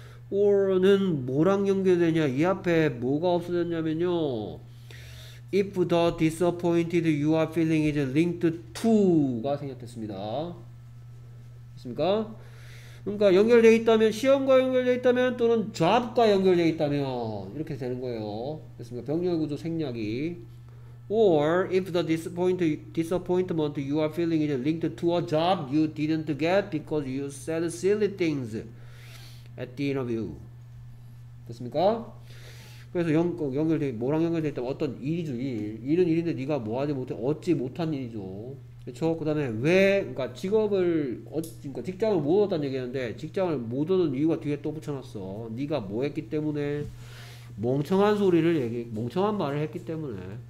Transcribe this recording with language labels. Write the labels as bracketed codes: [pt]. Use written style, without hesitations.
[ko] or는 뭐랑 연결되냐? 이 앞에 뭐가 없어졌냐면요, [en] if the disappointed you are feeling is linked to [ko] 가 생략됐습니다. 됐습니까? 그러니까 연결되어 있다면, 시험과 연결되어 있다면 또는 job과 연결되어 있다면 이렇게 되는 거예요. 됐습니까? 병렬구조 생략이. [en] Or if the disappointment you are feeling is linked to a job you didn't get because you said silly things at the interview. [ko] 됐습니까? 그래서 뭐랑 연결되어 있다면 어떤 일이죠. 일은 일인데 네가 뭐 하지 못해, 얻지 못한 일이죠. 그렇죠? 그 다음에 왜, 그러니까 직장을 못 얻었다는 얘기하는데 직장을 못 얻은 이유가 뒤에 또 붙여놨어. 네가 뭐 했기 때문에? 멍청한 말을 했기 때문에.